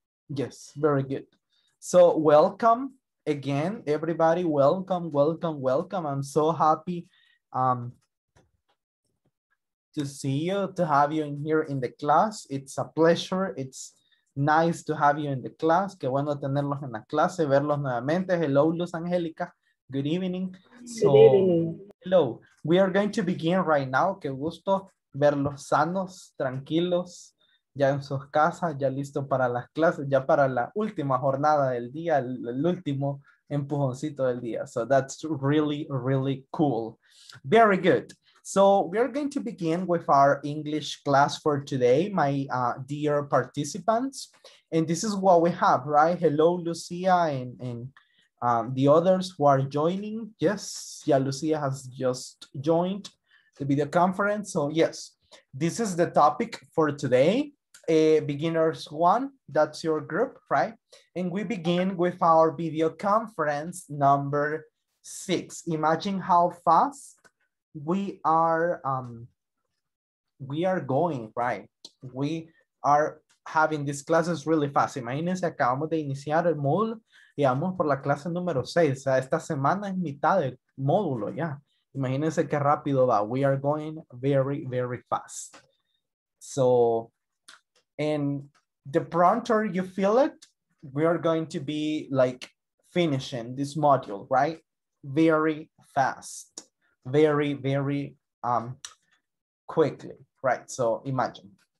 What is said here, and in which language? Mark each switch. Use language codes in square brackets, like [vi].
[en] Yes, very good. So welcome again, everybody. Welcome, welcome, welcome. I'm so happy to see you, to have you in here in the class. It's a pleasure. It's nice to have you in the class. [es] Que bueno tenerlos en la clase, verlos nuevamente. [en] Hello, Luz Angélica. Good evening. So, good evening. Hello. We are going to begin right now. [es] Qué gusto verlos sanos, tranquilos, ya en sus casas, ya listo para las clases, ya para la última jornada del día, el último empujoncito del día. [en] So that's really, really cool. Very good. So we are going to begin with our English class for today, my dear participants. And this is what we have, right? Hello, Lucia and the others who are joining. Yes, yeah, Lucia has just joined the video conference. So yes, this is the topic for today. Beginners one, that's your group, right? And we begin with our video conference number 6. Imagine how fast we are going, right? We are having these classes really fast. [es] Imagínense, acabamos de iniciar el módulo y vamos por la clase número 6. O sea, esta semana es mitad del módulo ya. [en] Yeah. [es] Imagínense qué rápido va. [en] We are going very, very fast. So, and the pronter you feel it, we are going to be like finishing this module, right? Very fast, very, very quickly, right? So imagine.